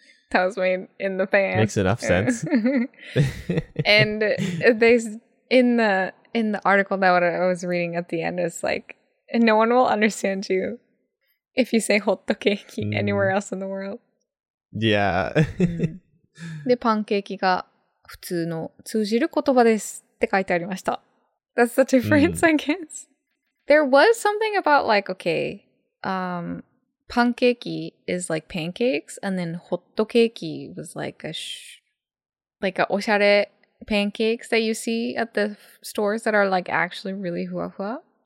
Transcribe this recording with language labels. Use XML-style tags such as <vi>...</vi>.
<en>That was made in the pan. Makes enough sense. And they, in the article that I was reading at the end, it's like, and no one will understand you if you say hot cake anywhere else in the world. Yeah.</en> <ja>で、パンケーキが普通の通じる言葉ですって書いてありました。</ja> <en>That's the difference, I guess. There was something about like, okay, パンケーキ is like pancakes, and then ホットケーキ was like a おしゃれ pancakes that you see at the stores that are like actually really ふわふわ。</en>